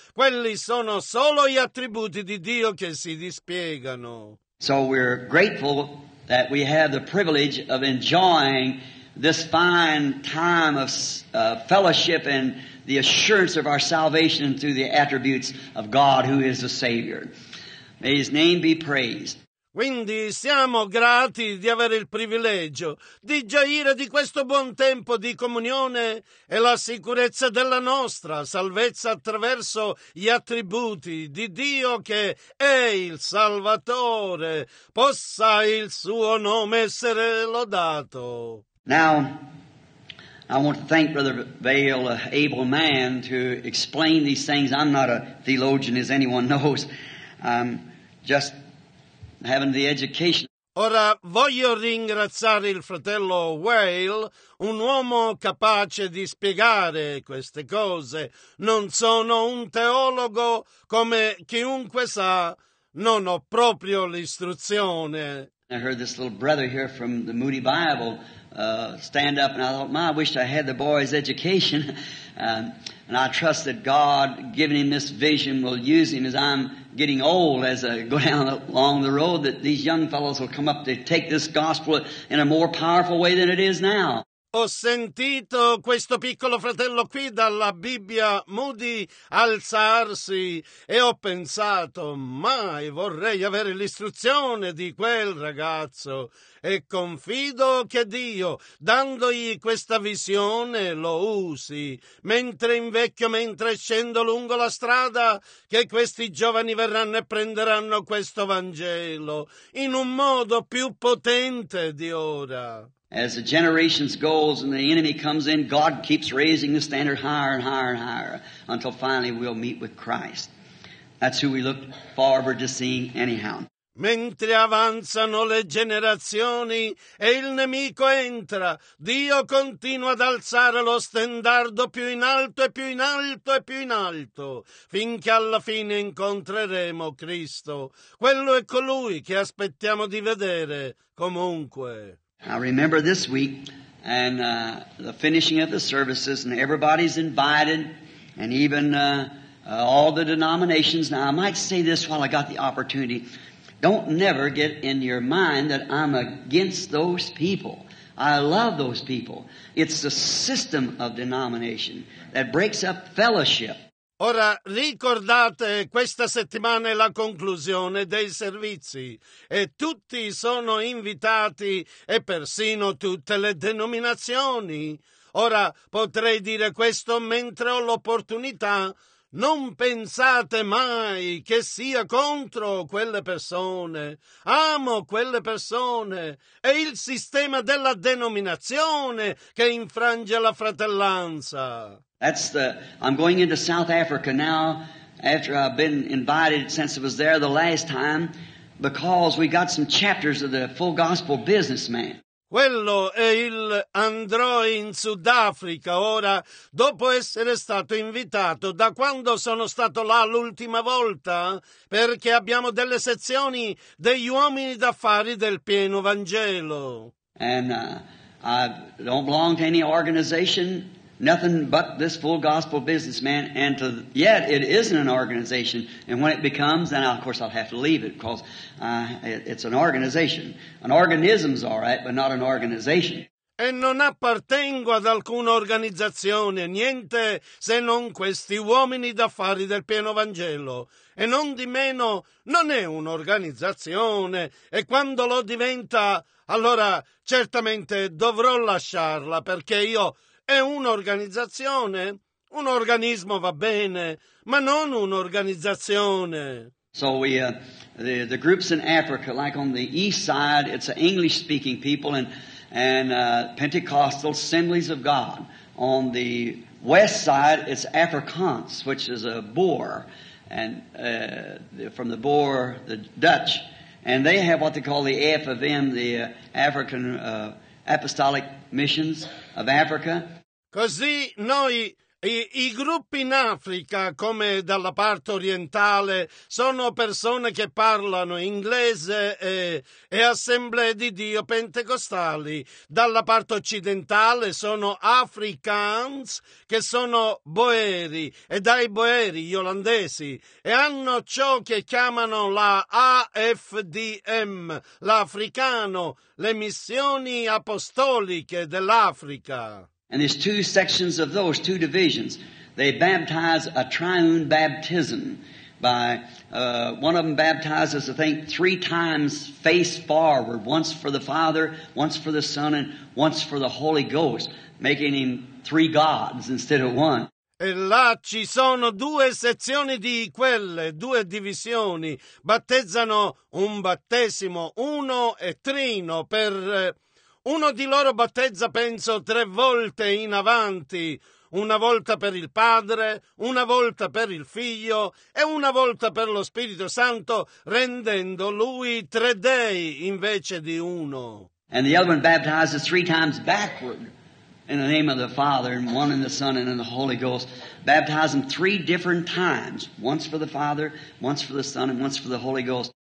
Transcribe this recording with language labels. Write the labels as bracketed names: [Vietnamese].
[Italian] Quelli sono solo gli attributi di Dio che si dispiegano. [English] So we're grateful that we have the privilege of enjoying this fine time of fellowship and the assurance of our salvation through the attributes of God who is the Savior. May His name be praised. [Italian] Quindi siamo grati di avere il privilegio di gioire di questo buon tempo di comunione e la sicurezza della nostra salvezza attraverso gli attributi di Dio che è il Salvatore. Possa il suo nome essere lodato. [English] Now, I want to thank Brother Vail, an able man, to explain these things. I'm not a theologian, as anyone knows. I'm just having the education. [Italian] Ora voglio ringraziare il fratello Whale, un uomo capace di spiegare queste cose. Non sono un teologo, come chiunque sa, non ho proprio l'istruzione. [English] I heard this little brother here from the Moody Bible stand up, and I thought, my, I wish I had the boy's education. And I trust that God, giving him this vision, will use him as I'm getting old, as I go down along the road, that these young fellows will come up to take this gospel in a more powerful way than it is now. [Italian] Ho sentito questo piccolo fratello qui dalla Bibbia Moody alzarsi e ho pensato, mai vorrei avere l'istruzione di quel ragazzo e confido che Dio, dandogli questa visione, lo usi. Mentre invecchio, mentre scendo lungo la strada, che questi giovani verranno e prenderanno questo Vangelo in un modo più potente di ora. [English] As the generations go and the enemy comes in, God keeps raising the standard higher and higher and higher until finally we'll meet with Christ. That's who we look forward to seeing anyhow. [Italian] Mentre avanzano le generazioni e il nemico entra, Dio continua ad alzare lo stendardo più in alto e più in alto e più in alto, finché alla fine incontreremo Cristo. Quello è colui che aspettiamo di vedere comunque. [English] I remember this week and the finishing of the services, and everybody's invited, and even all the denominations. Now, I might say this while I got the opportunity. Don't never get in your mind that I'm against those people. I love those people. It's the system of denomination that breaks up fellowship. [Italian] Ora ricordate, questa settimana è la conclusione dei servizi e tutti sono invitati e persino tutte le denominazioni. Ora potrei dire questo mentre ho l'opportunità. Non pensate mai che sia contro quelle persone. Amo quelle persone. È il sistema della denominazione che infrange la fratellanza. [English] I'm going into South Africa now after I've been invited since I was there the last time because we got some chapters of the Full Gospel Businessman. [Italian] Quello è il andrò in Sudafrica ora dopo essere stato invitato da quando sono stato là l'ultima volta perché abbiamo delle sezioni degli uomini d'affari del pieno Vangelo. [English] And I don't belong to any organization. Nothing but this Full Gospel Businessman, and to, yet it isn't an organization, and when it becomes, then of course I'll have to leave it, because it's an organization. An organism's all right, but not an organization. [Italian] E non appartengo ad alcuna organizzazione, niente se non questi uomini d'affari del pieno Vangelo. E non di meno, non è un'organizzazione, e quando lo diventa, allora certamente dovrò lasciarla, perché io... È un'organizzazione? Un organismo va bene, ma non un'organizzazione. [English] So we, the groups in Africa, like on the east side, it's an English-speaking people and Pentecostal Assemblies of God. On the west side, it's Afrikaans, which is a Boer, and from the Boer, the Dutch. And they have what they call the AFM, the African Apostolic Missions of Africa. [Italian] Così noi, i gruppi in Africa, come dalla parte orientale, sono persone che parlano inglese e Assemblee di Dio pentecostali. Dalla parte occidentale sono Afrikaans, che sono Boeri, e dai Boeri, gli olandesi, e hanno ciò che chiamano la AFDM, l'Africano, le Missioni Apostoliche dell'Africa. [English] And there's two sections of those, two divisions. They baptize a triune baptism by one of them baptizes, I think, three times face forward, once for the Father, once for the Son, and once for the Holy Ghost, making him three gods instead of one. [Italian] E là ci sono due sezioni di quelle, due divisioni. Battezzano un battesimo, uno e trino per... Uno di loro battezza, penso, tre volte in avanti, una volta per il Padre, una volta per il Figlio e una volta per lo Spirito Santo, rendendo lui tre dei invece di uno. [English] And the other one baptizes three times backward in the name of the Father, and one in the Son, and in the Holy Ghost. Baptize them three different times, once for the Father, once for the Son, and once for the Holy Ghost.